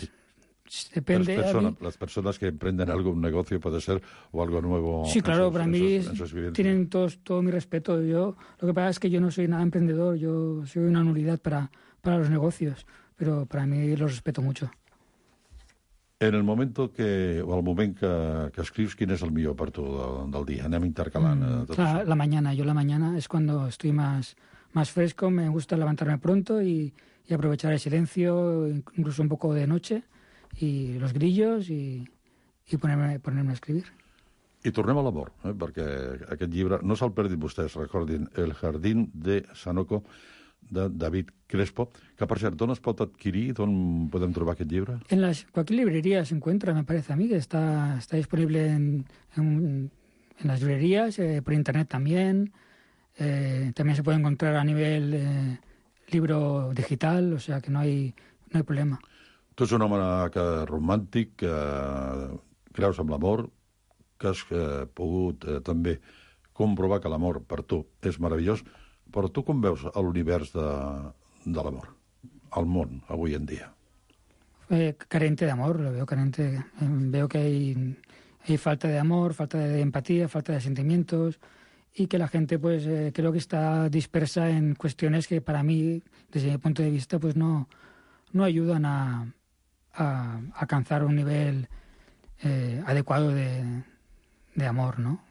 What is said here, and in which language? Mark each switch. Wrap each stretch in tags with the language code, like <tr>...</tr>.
<es>Sí. Depende. Las personas que emprenden algún negocio puede ser o algo nuevo. Sí, claro, para mí tienen todo mi respeto. Yo, lo que pasa es que yo no soy nada emprendedor, yo soy una nulidad para los negocios, pero para mí los respeto mucho. En el momento que,</es> <ca>o al moment que escrius, ¿quin és el millor per tu del dia? Anem intercalant.</ca> <es>La mañana, yo la mañana es cuando estoy más fresco, me gusta levantarme pronto y aprovechar el silencio, incluso un poco de noche, y los grillos y ponerme a escribir.</es> <ca>I tornem a l'amor, perquè aquest llibre, no se'l perdin vostès, recordin, El jardín de Sanoco, de David Crespo, que, per cert, on es pot adquirir, d'on podem trobar aquest llibre?</ca> <es>En cualquier librería se encuentra, me parece a mí, que está disponible en las librerías, por internet también, también se puede encontrar a nivel libro digital, o sea que no hay problema.</es> <ca>Tu ets un home romàntic, que creus en l'amor, que has pogut també comprovar que l'amor per tu és meravellós, però tu com veus l'univers de l'amor, el món, avui en dia?</ca> <es>Carente d'amor, lo veo carente. Veo que hay falta</es> <ca>d'amor, falta d'empatia,</ca> <es>falta de sentimientos, y que la gente, pues, creo que está dispersa en cuestiones que, para mí, desde mi punto de vista, pues no ayudan a alcanzar un nivel adecuado de amor, ¿no?</es>